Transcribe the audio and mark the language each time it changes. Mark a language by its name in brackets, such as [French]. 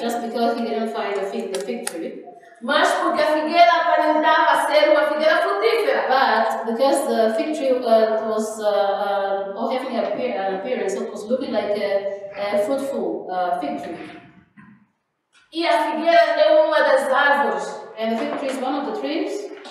[English] Just because he didn't find a fig in the fig tree. [Portuguese] Mas porque a figueira aparentava ser uma figueira frutífera. [English] But because the fig tree was or having an appearance that was looking like a fruitful fig tree. [Portuguese] E a figueira é uma das árvores. [English] And the fig tree is one of the trees.